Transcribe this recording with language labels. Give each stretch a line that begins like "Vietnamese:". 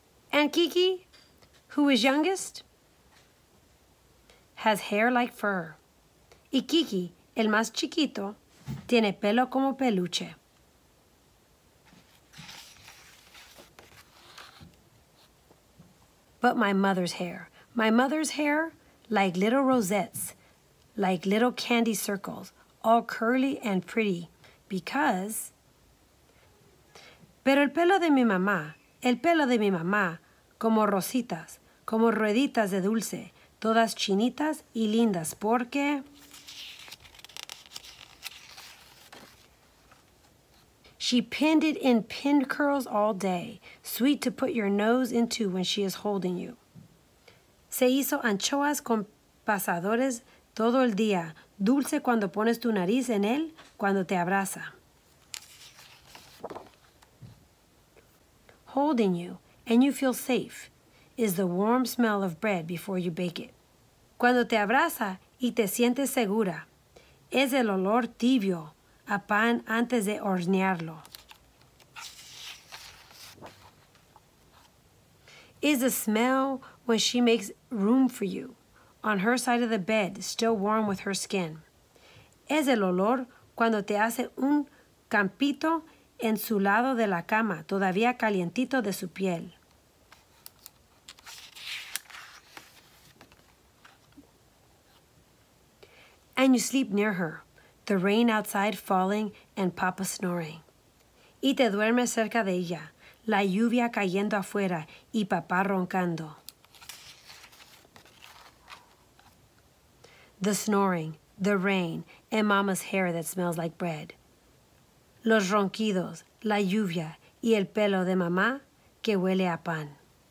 English: And Kiki, who is youngest, has hair like fur.
Spanish: Y Kiki, el más chiquito, tiene pelo como peluche.
English: But my mother's hair, like little rosettes, like little candy circles, all curly and pretty, because...
Spanish: Pero el pelo de mi mamá, como rositas, como rueditas de dulce, todas chinitas y lindas, porque...
English: She pinned it in pin curls all day, sweet to put your nose into when she is holding you.
Spanish: Se hizo anchoas con pasadores todo el día, dulce cuando pones tu nariz en él cuando te abraza.
English: Holding you, and you feel safe, is the warm smell of bread before you bake it.
Spanish: Cuando te abraza y te sientes segura, es el olor tibio a pan antes de hornearlo.
English: Is the smell when she makes room for you on her side of the bed, still warm with her skin.
Spanish: Es el olor cuando te hace un campito en su lado de la cama, todavía calientito de su piel.
English: And you sleep near her, the rain outside falling and Papa snoring.
Spanish: Y te duermes cerca de ella, la lluvia cayendo afuera y Papá roncando.
English: The snoring, the rain, and Mama's hair that smells like bread.
Spanish: Los ronquidos, la lluvia y el pelo de mamá que huele a pan.